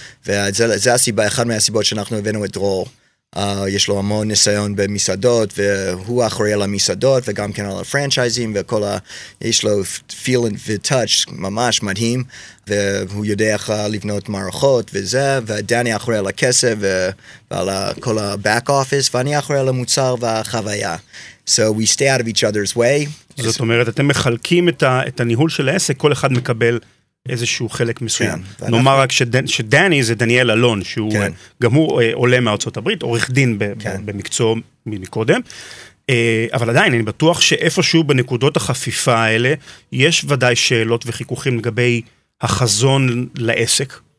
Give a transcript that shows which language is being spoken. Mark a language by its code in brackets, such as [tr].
[he] וזה הסיבה, אחד מהסיבות שאנחנו הבאנו את דרור. יש לו המון ניסיון במסעדות, והוא אחראי על המסעדות, וגם כן על הפרנצ'ייזים, וכל ה... יש לו [en] feel and touch [he] ממש מדהים, והוא יודע איך לבנות מערכות וזה, ודני אחראי על הכסף, ועל כל ה-back office, ואני אחראי על המוצר והחוויה. [en] So we stay out of each other's way. [he] זאת אומרת, אתם מחלקים את הניהול של העסק, כל אחד מקבל איזשהו חלק מסוים. נאמר רק שדני זה דניאל אלון, שהוא גם הוא עולה מארצות הברית, עורך דין במקצוע מקודם. אבל עדיין, אני בטוח שאיפשהו בנקודות החפיפה האלה, יש ודאי שאלות וחיכוכים לגבי החזון לעסק.